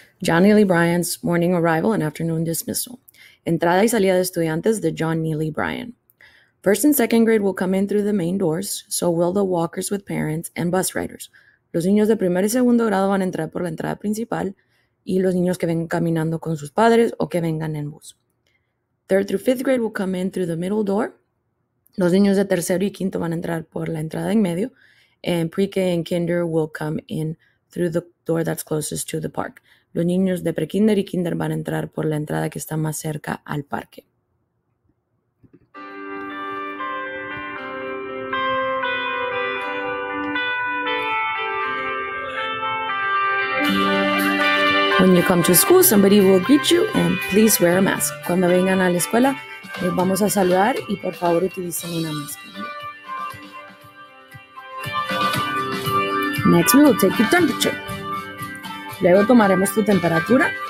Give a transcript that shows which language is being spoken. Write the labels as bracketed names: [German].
[English] John Neely Bryan's morning arrival and afternoon dismissal. [Spanish] Entrada y salida de estudiantes de John Neely Bryan. [English] First and second grade will come in through the main doors, so will the walkers with parents and bus riders. [Spanish] Los niños de primer y segundo grado van a entrar por la entrada principal y los niños que vengan caminando con sus padres o que vengan en bus. [English] Third through fifth grade will come in through the middle door. [Spanish] Los niños de tercero y quinto van a entrar por la entrada en medio. [English] And pre-K and kinder will come in through the door that's closest to the park. [Spanish] Los niños de pre-kinder y kinder van a entrar por la entrada que está más cerca al parque. [English] When you come to school, somebody will greet you and please wear a mask. [Spanish] Cuando vengan a la escuela, les vamos a saludar y por favor utilicen una máscara. [English] Next, we will take your temperature. [Spanish] Luego tomaremos tu temperatura.